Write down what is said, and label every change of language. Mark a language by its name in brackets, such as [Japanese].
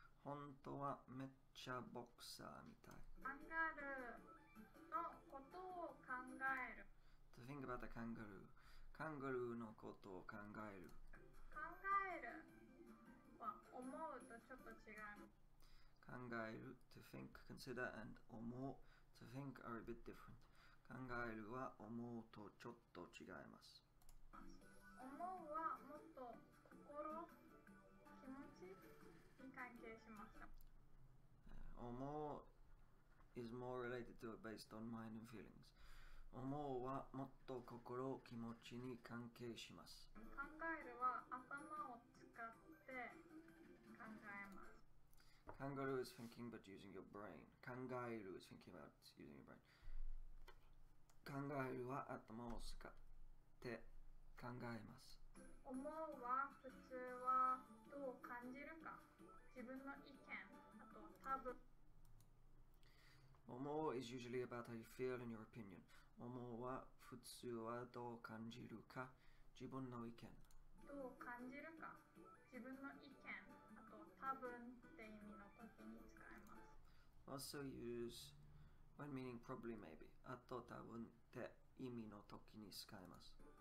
[Japanese] 本当はめっちゃボクサーみたい。カンガルーのことを考える。 [English] To think about the kangaroo. [Japanese] カンガルーのことを考える。考えるは思うとちょっと違う。 [English] 考える、to think, consider, and 思う、to think are a bit different. [Japanese] 考えるは思うとちょっと違います。思うはもっと心、気持ち関係しました。 [English] 思う is more related to it based on mind and feelings. [Japanese] 思うはもっと心、気持ちに関係します。考えるは頭を使って考えます。 [English] カンガルー is thinking but using your brain. 考えるは thinking about using your brain. [Japanese] 考えるは頭を使って考えます。思うは普通はどう感じるか、自分の意見、あと多分。 [English] 思う is usually about how you feel and your opinion. [Japanese] 思うは普通はどう感じるか、自分の意見。どう感じるか、自分の意見、あと多分って意味の時に使います。 [English] Also use when meaning probably maybe. [Japanese] あと多分って意味の時に使います。